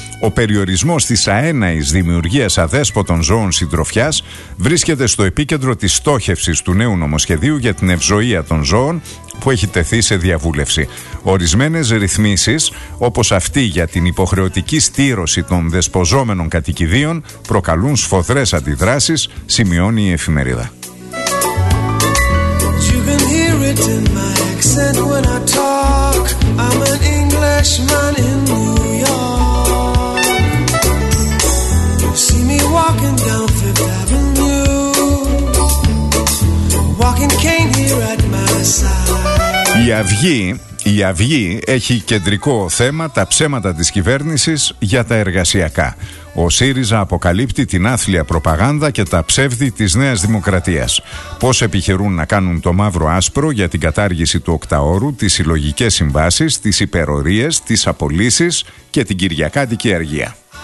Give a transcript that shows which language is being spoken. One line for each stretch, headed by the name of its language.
Greek: Ο περιορισμός της αέναης δημιουργίας αδέσποτων ζώων συντροφιάς βρίσκεται στο επίκεντρο της στόχευσης του νέου νομοσχεδίου για την ευζωία των ζώων που έχει τεθεί σε διαβούλευση. Ορισμένες ρυθμίσεις, όπως αυτή για την υποχρεωτική στήρωση των δεσποζόμενων κατοικιδίων, προκαλούν σφοδρές αντιδράσεις, σημειώνει η εφημερίδα.
English: In my accent when I talk, I'm an Englishman in New York. You see me walking down Fifth Avenue, walking cane here at my side.
Greek: Η Αυγή. Η Αυγή έχει κεντρικό θέμα τα ψέματα της κυβέρνησης για τα εργασιακά. Ο ΣΥΡΙΖΑ αποκαλύπτει την άθλια προπαγάνδα και τα ψεύδη της Νέας Δημοκρατίας. Πώς επιχειρούν να κάνουν το μαύρο άσπρο για την κατάργηση του οκταώρου, τις συλλογικές συμβάσεις, τις υπερορίες, τις απολύσεις και την κυριακάτικη αργία.